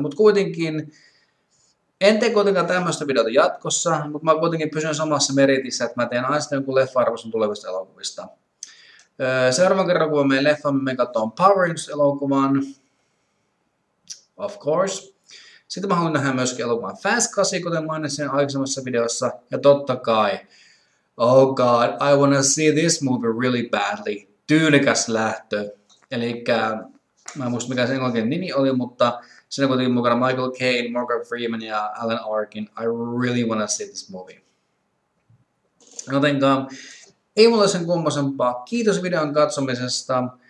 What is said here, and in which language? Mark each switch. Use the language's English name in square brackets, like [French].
[Finnish] Mutta kuitenkin, en tee kuitenkaan tämmöistä videota jatkossa, mutta mä kuitenkin pysyn samassa meritissä, että mä teen aina jonkun leffa-arvoisen tulevista elokuvista. Seuraavan kerran, kun meidän leffamme, me katsoin Power Rangers-elokuvan, [English] of course. [Finnish] Sitten mä haluan nähdä myöskin elokuvan Fast 8, kuten mainitsin aikaisemmassa videossa. Ja totta kai, [English] oh god, I wanna see this movie really badly. [Finnish] Tyylikäs lähtö. Elikkä, mä en muista mikä sen englannin nimi oli, mutta siinä kuitenkin mukana Michael Caine, Morgan Freeman ja Alan Arkin. [English] I really wanna see this movie. [Finnish] Jotenkaan, ei mulla sen kummosempaa. Kiitos videon katsomisesta.